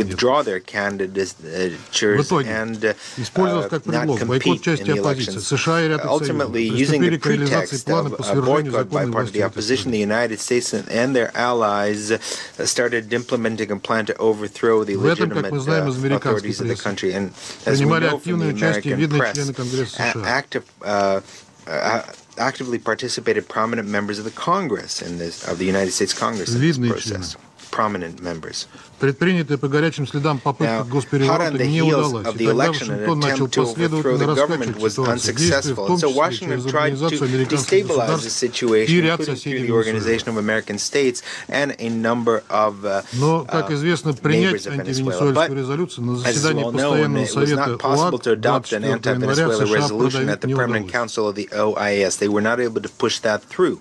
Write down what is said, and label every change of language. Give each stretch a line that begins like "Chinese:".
Russian: В итоге, использовав как предлог бойкот части оппозиции, США и ряд их союзников приступили к реализации плана по свержению законной власти в этой стране. В этом, как мы знаем из американской прессы, принимали активное участие видные члены Конгресса США.
English: Actively participated prominent members of the Congress in this of the United States Congress in this process. Prominent members.
Russian: Предпринятая по горячим следам попытка госпереворота не удалась. И тогда Вашингтон начал последовательно раскачивать ситуацию, действуя в том числе через организацию американских государств и ряд соседей Венесуэля. Но, как известно, принять антивенесуэльскую резолюцию на заседании постоянного совета ОАК 24 января США продавить не удалось.